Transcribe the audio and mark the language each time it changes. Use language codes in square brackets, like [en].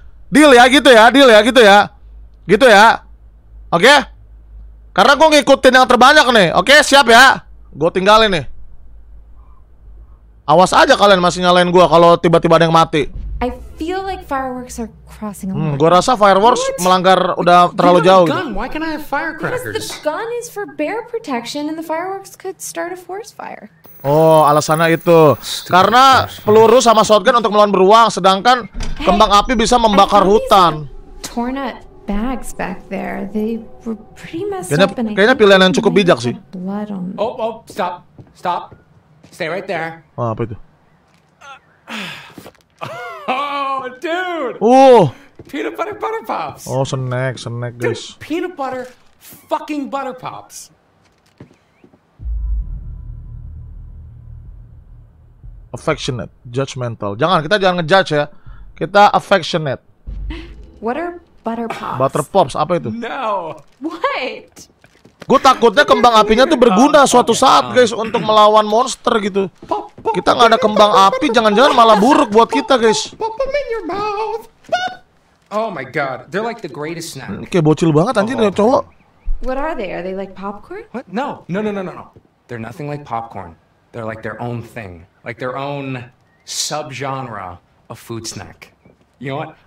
[id] Deal ya, gitu ya, deal ya, gitu ya. Gitu ya. Oke? Karena gue ngikutin yang terbanyak nih. Oke, siap ya. Gue tinggalin nih. Awas aja kalian masih nyalain gue kalau tiba-tiba ada yang mati. [en] I feel like fireworks are crossing a line. [id] Gue rasa fireworks what? Melanggar udah terlalu jauh. [en] Why can't I have firecrackers? Because the gun is for bear protection and the fireworks could start a forest fire. [id] Oh, alasannya itu. Karena peluru sama shotgun untuk melawan beruang, sedangkan kembang api bisa membakar hutan. [en] Torn up bags back there. They were pretty messed up. [id] Kayaknya pilihan yang cukup bijak sih. [en] Oh, stop. Stay right there. [id] Oh, apa itu? [en] Oh, dude. Peanut butter butter pops. Oh, snack, guys. Dude, peanut butter fucking butter pops. Affectionate, judgmental. [id] Jangan, kita jangan ngejudge ya. Kita affectionate. [en] What are butter pops? [id] Butter pops, apa itu? [en] No. What? [id] Gue takutnya kembang apinya tuh berguna suatu saat, guys, untuk melawan monster gitu. Kita nggak ada kembang api, jangan-jangan malah buruk buat kita, guys. [en] Pop them in your mouth. Oh my god, they're like the greatest snack. [id] Kayak bocil banget, anjir, cowok. [en] What are they? Are they like popcorn? What? No. They're nothing like popcorn. They're like their own thing. Like their own subgenre of food snack. You know what?